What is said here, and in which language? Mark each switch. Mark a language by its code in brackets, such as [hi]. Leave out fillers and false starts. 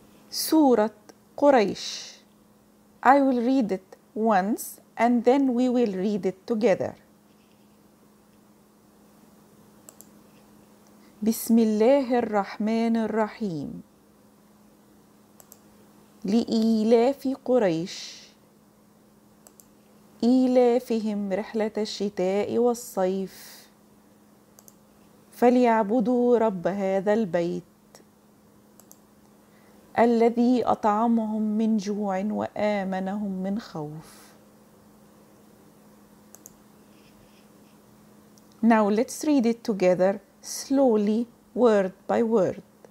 [en] Surah Quraysh. I will read it once and then we will read it together. [ar] بسم الله الرحمن الرحيم لإيلاف قريش إيلافهم رحلة الشتاء والصيف فليعبدوا رب هذا البيت الذي أطعمهم من جوع وآمنهم من خوف. [en] Now let's read it together slowly, word by word.